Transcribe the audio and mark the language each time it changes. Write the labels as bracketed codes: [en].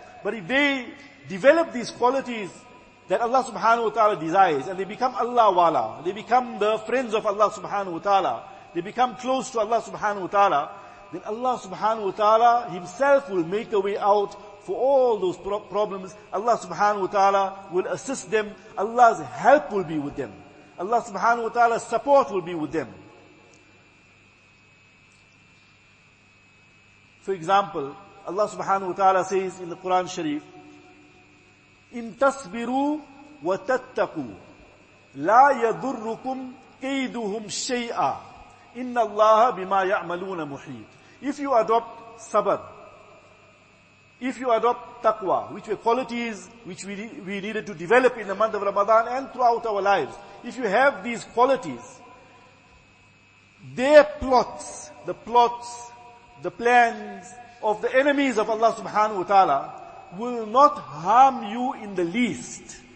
[en] But if they develop these qualities that Allah subhanahu wa ta'ala desires, and they become Allah wala, they become the friends of Allah subhanahu wa ta'ala, they become close to Allah subhanahu wa ta'ala, then Allah subhanahu wa ta'ala himself will make a way out for all those problems. Allah subhanahu wa ta'ala will assist them. Allah's help will be with them. Allah subhanahu wa ta'ala's support will be with them. For example, Allah subhanahu wa ta'ala says in the Quran Sharif, [ar] إِن تَصْبِرُوا وَتَتَّقُوا لَا يَضُرُّكُمْ كَيْدُهُمْ شَيْئًا إِنَّ اللَّهَ بِمَا يَعْمَلُونَ مُحِيطٌ. [en] If you adopt sabr, if you adopt taqwa, which were qualities which we needed to develop in the month of Ramadan and throughout our lives, if you have these qualities, their plots, the plots, the plans of the enemies of Allah subhanahu wa ta'ala will not harm you in the least.